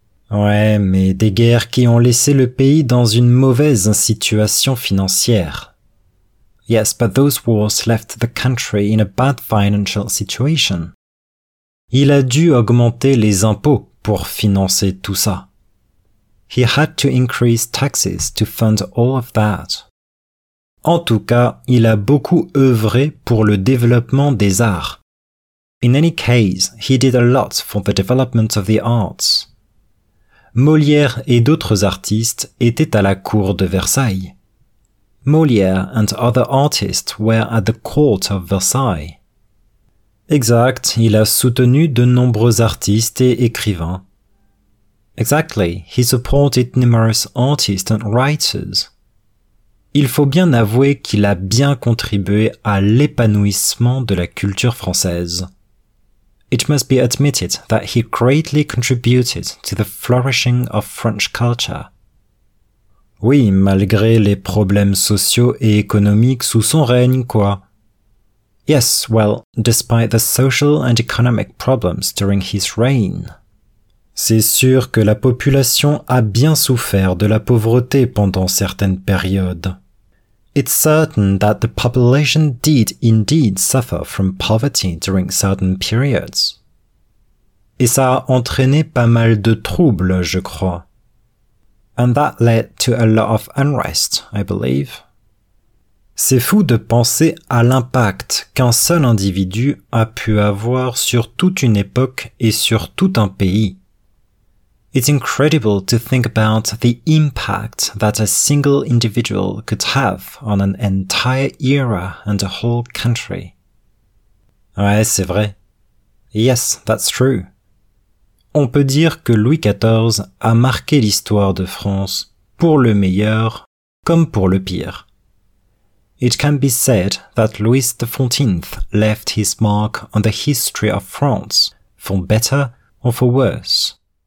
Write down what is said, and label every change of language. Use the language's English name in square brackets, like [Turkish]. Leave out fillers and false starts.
[French] Ouais, mais des guerres qui ont laissé le pays dans une mauvaise situation financière. [English] Yes, but those wars left the country in a bad financial situation. [French] Il a dû augmenter les impôts pour financer tout ça. [English] He had to increase taxes to fund all of that. [French] En tout cas, il a beaucoup œuvré pour le développement des arts. [English] In any case, he did a lot for the development of the arts. [French] Molière et d'autres artistes étaient à la cour de Versailles. [English] Molière and other artists were at the court of Versailles. [French] Exact, il a soutenu de nombreux artistes et écrivains. [English] Exactly, he supported numerous artists and writers. [French] Il faut bien avouer qu'il a bien contribué à l'épanouissement de la culture française. [English] It must be admitted that he greatly contributed to the flourishing of French culture. [French] Oui, malgré les problèmes sociaux et économiques sous son règne, quoi. [English] Yes, well, despite the social and economic problems during his reign. [French] C'est sûr que la population a bien souffert de la pauvreté pendant certaines périodes. [English] It's certain that the population did indeed suffer from poverty during certain periods. [French] Et ça a entraîné pas mal de troubles, je crois. [English] And that led to a lot of unrest, I believe. [French] C'est fou de penser à l'impact qu'un seul individu a pu avoir sur toute une époque et sur tout un pays. [English] It's incredible to think about the impact that a single individual could have on an entire era and a whole country. [French] Ouais, c'est vrai. [English] Yes, that's true. [French] On peut dire que Louis XIV a marqué l'histoire de France pour le meilleur comme pour le pire. [English] It can be said that Louis XIV left his mark on the history of France, for better or for worse.